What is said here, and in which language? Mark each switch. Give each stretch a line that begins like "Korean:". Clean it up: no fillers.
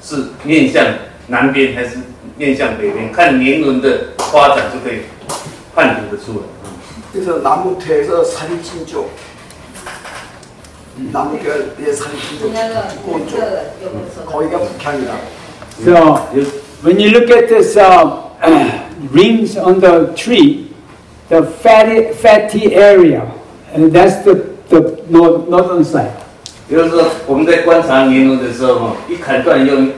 Chinese: 有就是把树砍倒以后，我们看年轮哈的那个年轮的长相，就可以判断这个树是面向南边还是。面向北边，看年轮的发展就可以判读得出来。
Korean: 그래서 나무테에서 살이 찐 쪽, 나무결에 살이 찐 쪽, 고운 쪽, 거기가 북향이다.
English: So when you look at this rings on the tree, the fatty area, and that's the northern side.
Chinese: 比如说我们在观察年轮的时候，一砍断又